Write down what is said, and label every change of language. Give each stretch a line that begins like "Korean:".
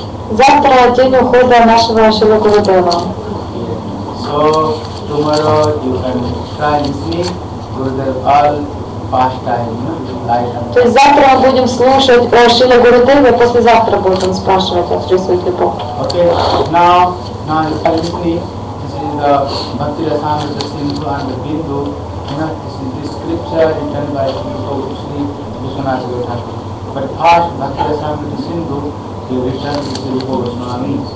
Russian: Завтра день ухода нашего Шрила Гурудева.
English: So tomorrow you can try and see Gurudev all past time, you know, light.
Russian: То есть завтра мы будем слушать про Шрила Гурудева, послезавтра будем спрашивать о Шрисвати Бога.
English: Okay, now you can see, this is the Bhakti Rasamrita Sindhu and the Bindu, you know, this is the scripture written by Shri Vishwanath Gurudev. But first Bhakti Rasamrita Sindhu, he returned to Shri Rupa Goswami.